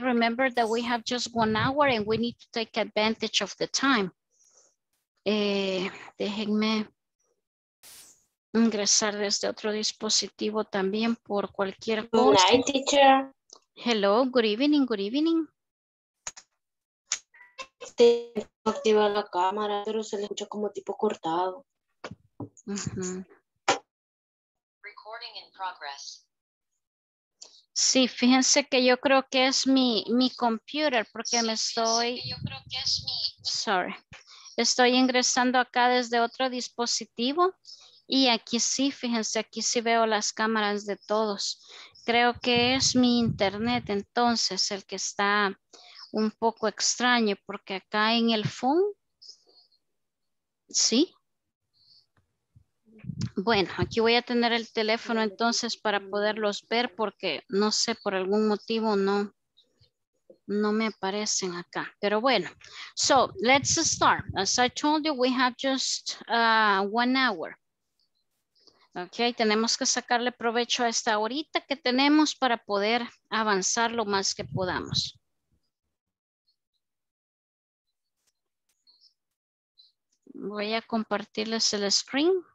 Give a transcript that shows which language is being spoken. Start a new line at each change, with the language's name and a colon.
English: Remember that we have just 1 hour and we need to take advantage of the time.
Spanish: Déjenme ingresar desde otro dispositivo también por cualquier
English: cosa. Good night, teacher. Hello, good evening, good evening.
Spanish: Activa la cámara, pero se le escucha como tipo cortado.
English: Uh-huh. Recording in progress.
Spanish: Sí, fíjense que yo creo que es mi computer porque sí, me estoy. Yo creo que es mi... Sorry. Estoy ingresando acá desde otro dispositivo y aquí sí, fíjense, aquí sí veo las cámaras de todos. Creo que es mi internet entonces el que está un poco extraño porque acá en el phone, sí. Bueno, aquí voy a tener el teléfono entonces para poderlos ver porque no sé, por algún motivo no me aparecen acá. Pero bueno,
English: so let's start. As I told you, we have just 1 hour.
Spanish: Okay, tenemos que sacarle provecho a esta horita que tenemos para poder avanzar lo más que podamos. Voy a compartirles el screen.